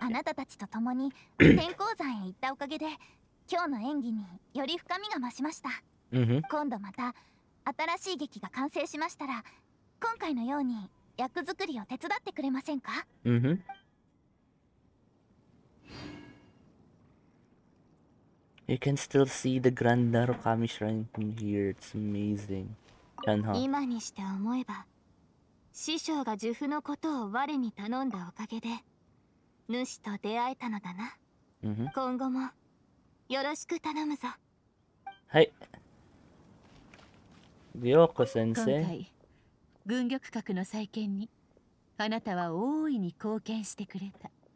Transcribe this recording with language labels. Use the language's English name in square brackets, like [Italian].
[Japanese] あなたたちと共に天光山へ行ったおかげで今日の演技により深みが増しました、うん、今度また新しい劇が完成しましたら今回のように役作りを手伝ってくれませんか、 [English] うん、You can still see the Grand Narukami Shrine from here. It's amazing. [Japanese] 今にして思えば師匠が呪符のことを我に頼んだおかげで主と出会えたのだな。今後もよろしく頼むぞ。はい、涼子先生。今回軍玉閣の再建にあなたは大いに貢献してくれた。